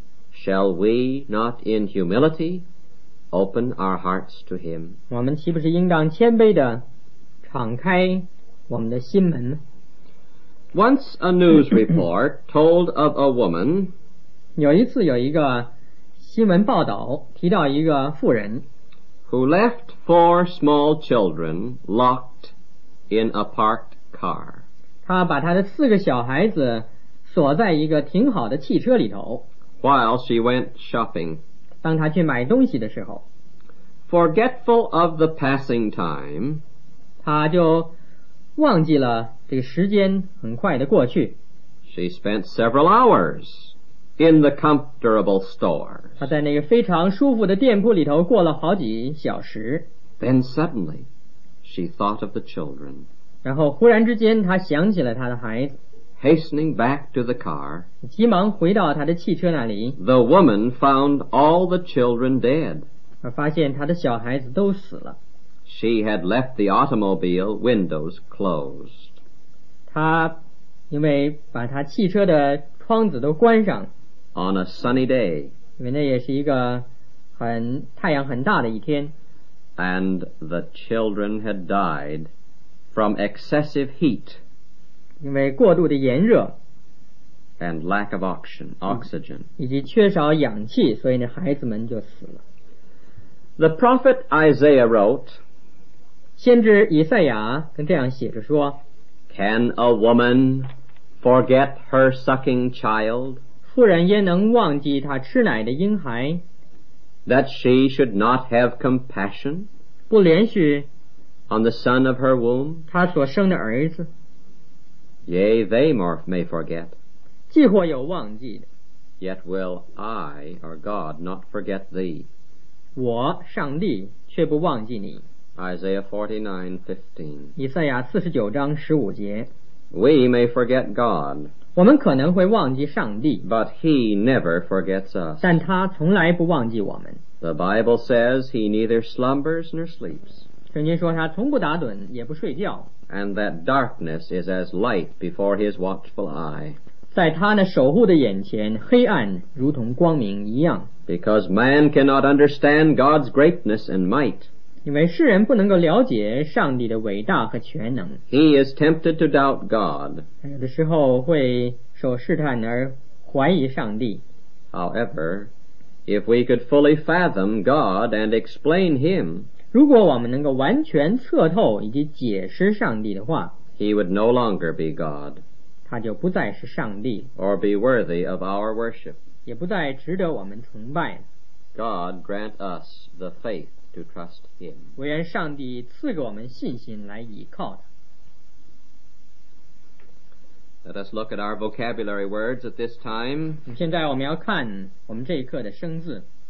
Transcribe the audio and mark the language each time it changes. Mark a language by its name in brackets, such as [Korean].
[English] Shall we not in humility open our hearts to him? [Chinese] 我们岂不是应当谦卑地敞开我们的心门？ [English] Once a news report told of a woman. [Chinese] 有一次有一个新闻报道提到一个妇人。 [English] Who left four small children locked in a parked car. [Chinese] 她把她的四个小孩子锁在一个停好的汽车里头。 [English] While she went shopping. [Chinese] 当她去买东西的时候。 [English] Forgetful of the passing time. [Chinese] 她就忘记了这个时间很快的过去。 [English] She spent several hours in the comfortable store. [Chinese] 她在那个非常舒服的店铺里头过了好几小时。 [English] Then suddenly, she thought of the children. [Chinese] 然后忽然之间她想起了她的孩子。 [English] Hastening back to the car, [Chinese] 急忙回到她的汽车那里。 [English] The woman found all the children dead. [Chinese] 而发现她的小孩子都死了。 [English] She had left the automobile windows closed. [Chinese] 她因为把她汽车的窗子都关上。 [English] On a sunny day. [Chinese] 因为那也是一个很太阳很大的一天。 [English] And the children had died from excessive heat. [Chinese] 因为过度的炎热。 [English] And lack of oxygen. [Chinese] 以及缺少氧气，所以那孩子们就死了。 [English] The prophet Isaiah wrote. [Chinese] 先知以赛亚跟这样写着说 [English] Can a woman forget her sucking child? [Chinese] 妇人焉能忘记她吃奶的婴孩 [English] That she should not have compassion [Chinese] 不怜恤 [English] On the son of her womb [Chinese] 她所生的儿子 [English] Yea, they may forget [Chinese] 既或有忘记的 [English] Yet will I, or God, not forget thee [Chinese] 我上帝却不忘记你 [English] Isaiah 49:15. [Chinese] 以赛亚49章15节。 [English] We may forget God. [Chinese] 我们可能会忘记上帝。 [English] But he never forgets us. [Chinese] 但他从来不忘记我们。 [English] The Bible says he neither slumbers nor sleeps. [Chinese] 圣经说他从不打盹也不睡觉。 [English] And that darkness is as light before his watchful eye. [Chinese] 在他那守护的眼前黑暗如同光明一样。 [English] Because man cannot understand God's greatness and might. [Chinese] 因为世人不能够了解上帝的伟大和全能 [English] He is tempted to doubt God [Chinese] 有的时候会受试探而怀疑上帝 [English] However, if we could fully fathom God and explain him [Chinese] 如果我们能够完全测透以及解释上帝的话 [English] He would no longer be God [Chinese] 他就不再是上帝 [English] Or be worthy of our worship [Chinese] 也不再值得我们崇拜 [English] God grant us the faith to trust him. [Chinese] 我愿上帝赐给我们信心来倚靠他。 [English] Let us look at our vocabulary words at this time. [Chinese] 现在我们要看我们这一课的生字。